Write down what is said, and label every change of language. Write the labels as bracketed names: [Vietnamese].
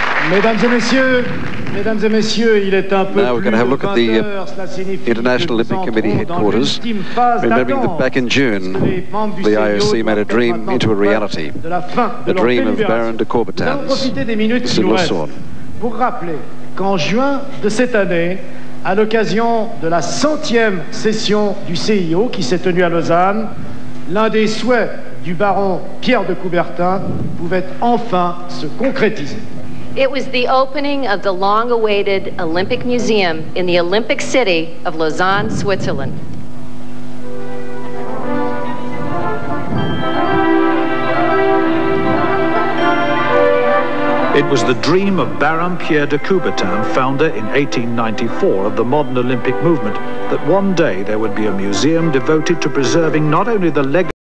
[French] Mesdames et messieurs, Mesdames et messieurs, il est un peu [English] now we're going to have a look at the International Olympic Committee headquarters, remembering that back in June, the IOC made a dream into a reality, a dream of Baron de Corbetans, Mr. Lussaud. [French] Pour rappeler qu'en juin de cette année, à l'occasion de la centième session du CIO qui s'est tenue à Lausanne, l'un des souhaits du Baron Pierre de Coubertin pouvait enfin se concrétiser. [English] It was the opening of the long-awaited Olympic Museum in the Olympic city of Lausanne, Switzerland. It It was the dream of Baron Pierre de Coubertin, founder in 1894 of the modern Olympic movement, that one day there would be a museum devoted to preserving not only the legacy.